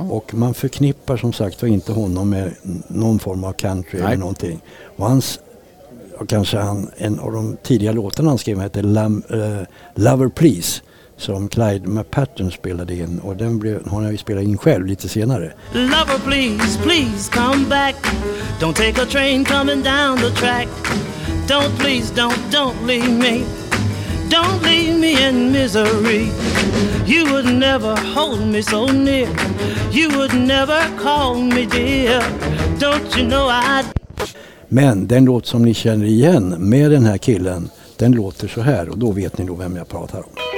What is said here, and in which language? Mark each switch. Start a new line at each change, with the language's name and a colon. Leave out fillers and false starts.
Swedish: Och man förknippar som sagt inte honom med någon form av country. Nej. Eller någonting. Och hans, och kanske han, en av de tidiga låtarna han skrev heter Lover Please, som Clyde McPatton spelade in, och den blev, hon har ju spelat in själv lite senare.
English: Lover please, please come back. Don't take a train coming down the track. Don't please, don't leave me. Don't leave me in misery. You would never hold me so near. You would never call me dear. Don't you know I'd...
Swedish: Men den låt som ni känner igen med den här killen, den låter så här, och då vet ni nog vem jag pratar om.